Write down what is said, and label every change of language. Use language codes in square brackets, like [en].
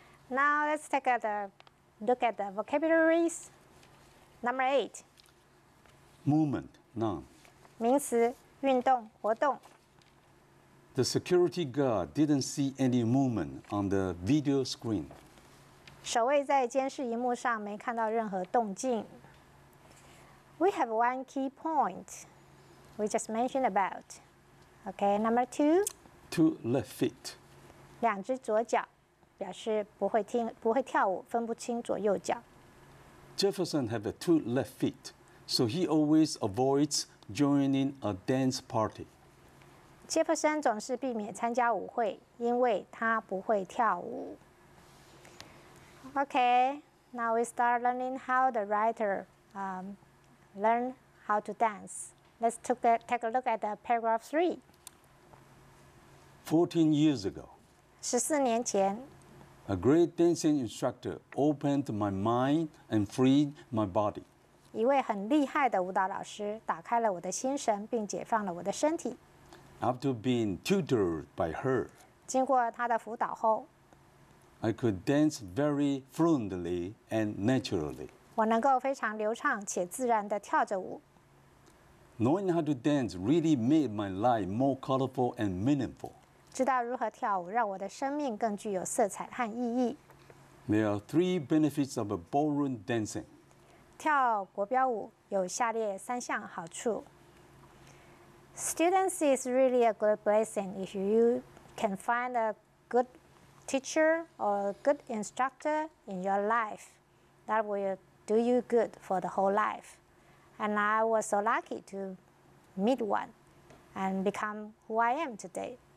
[en] Now let's take a look at the vocabularies. Number 8. Movement, noun. [zh] 名词运动活动。 [en] The security guard didn't see any movement on the video screen. [zh] 守卫在监视荧幕上没看到任何动静。 [en] We have one key point we just mentioned about. Okay, number 2. To left feet. [zh] 两只左脚表示不会跳舞，分不清左右脚。 [en] Jefferson have two left feet, so he always avoids joining a dance party. [zh] Jefferson 总是避免参加舞会，因为他不会跳舞。 [en] Okay, now we start learning how the writer learn how to dance. Let's take a look at the paragraph 3. 14 years ago. [zh] 14年前。 [en] A great dancing instructor opened my mind and freed my body. [zh] 一位很厉害的舞蹈老师打开了我的心神并解放了我的身体。 [en] After being tutored by her, [zh] 经过她的辅导后, [en] I could dance very fluently and naturally. [zh] 我能够非常流畅且自然地跳着舞。 [en] Knowing how to dance really made my life more colorful and meaningful. [zh] 知道如何跳舞，让我的生命更具有色彩和意义。 [en] There are three benefits of a ballroom dancing. [zh] 跳国标舞有下列三项好处。 [en] Students is really a good blessing if you can find a good teacher or a good instructor in your life. That will do you good for the whole life. And I was so lucky to meet one and become who I am today.